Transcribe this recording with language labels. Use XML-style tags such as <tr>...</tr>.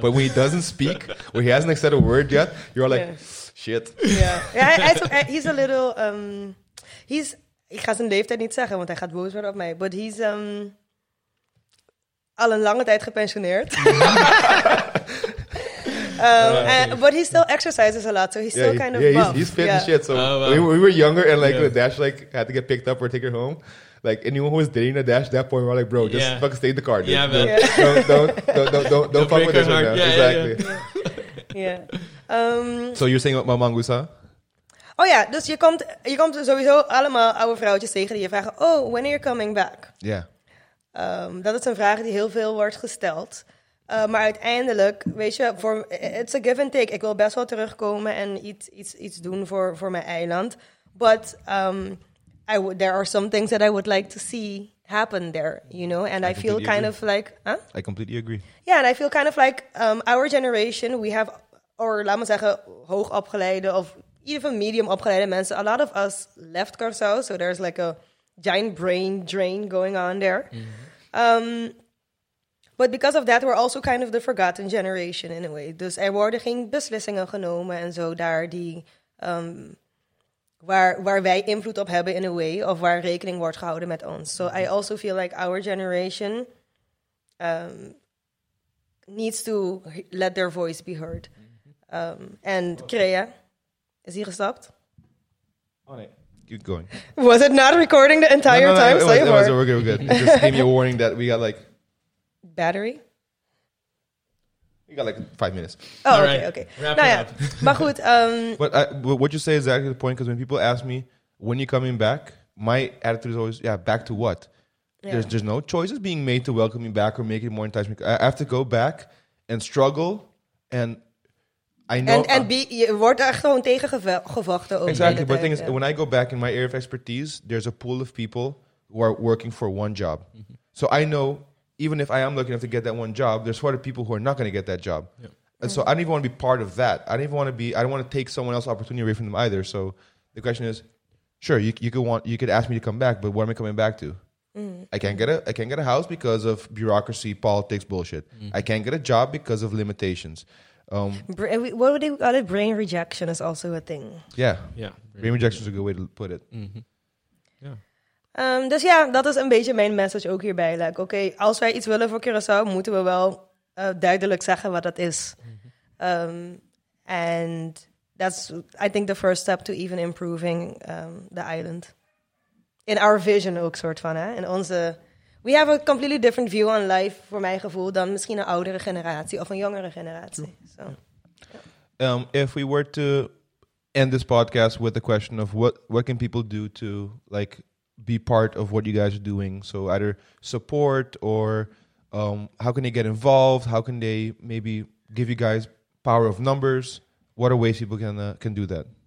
<en>But when he doesn't speak, when he hasn't said a word yet, you're like, shit. Yeah. He's a little. He's.</en> <nl>Ik ga zijn leeftijd niet zeggen, want hij gaat boos worden op mij.</nl> <en>But he's</en> <nl>al een lange tijd gepensioneerd.</nl> <en>but he still exercises a lot, so he's still kind of buff. He's fit and shit. So we were younger, and like Dash like had to get picked up or take her home. Like anyone who was dating a Dash at that point, we're like, bro, just fucking stay in the car, dude. Yeah, man. Yeah. don't fuck with this one, man. Yeah, exactly. Yeah. So you're saying about my mangoes, huh? Oh yeah.</en> <nl>Dus je komt sowieso allemaal oude vrouwtjes tegen die je vragen,</nl> <en>oh, when are you coming back? Yeah.</en> <nl>Dat is een vraag die heel veel wordt gesteld. Maar uiteindelijk, weet je,</nl> <en>it's a give and take.</en> <nl>Ik wil best wel terugkomen en iets doen voor mijn eiland.</nl> <en>But there are some things that I would like to see happen there, you know? And I feel kind of like... Huh? I completely agree. Yeah, and I feel kind of like our generation, we have, or</en> <nl>laat me zeggen, hoog opgeleide of even medium opgeleide mensen.</nl> <en>A lot of us left Curaçao, so there's like a giant brain drain going on there. Mm-hmm. But because of that, we're also kind of the forgotten generation in a way.</en> <nl>Dus er worden geen beslissingen genomen en zo daar die... Waar wij invloed op hebben</nl> <en>in a way,</en> <nl>of waar rekening wordt gehouden met ons.</nl> <en>So I also feel like our generation needs to let their voice be heard.</en> <nl>And Krea, is hij gestapt?</nl> <en>Oh nee, keep going. Was it not recording the entire time? No, it was we're good, Just gave me a warning that we got like... Battery? You got like 5 minutes. Oh, okay. Wrap it up.</en> <nl>Maar goed.</nl> <en>But what you say is exactly the point, because when people ask me, when are you coming back? My attitude is always, back to what? Yeah. There's no choices being made to welcome me back or make it more enticing. I have to go back and struggle and I know...</en> <nl>And je wordt er gewoon tegen gevochten over.</nl> <en>Exactly, but the thing is, when I go back in my area of expertise, there's a pool of people who are working for one job. Mm-hmm. So I know... Even if I am lucky enough to get that one job, there's other people who are not going to get that job. Yeah. And so I don't even want to be part of that. I don't want to take someone else's opportunity away from them either. So the question is, sure, you could ask me to come back, but what am I coming back to? Mm-hmm. I can't get a house because of bureaucracy, politics, bullshit. Mm-hmm. I can't get a job because of limitations. What would they call it? Brain rejection is also a thing. Yeah. Yeah. Brain rejection is a good way to put it. Mm-hmm.</en> <nl>Dus ja, dat is een beetje mijn message ook hierbij. Like, oké, als wij iets willen voor Curaçao, moeten we wel duidelijk zeggen wat dat is.</nl> <en>And that's, I think, the first step to even improving the island. In our vision</en> <nl>ook, soort van. Hè? In onze,</nl> <en>we have a completely different view on life,</en> <nl>voor mijn gevoel, dan misschien een oudere generatie of een jongere generatie.</nl> <en>So, If we were to end this podcast with a question of what can people do to, like... be part of what you guys are doing, so either support or how can they get involved, how can they maybe give you guys power of numbers, what are ways people can do that?</en>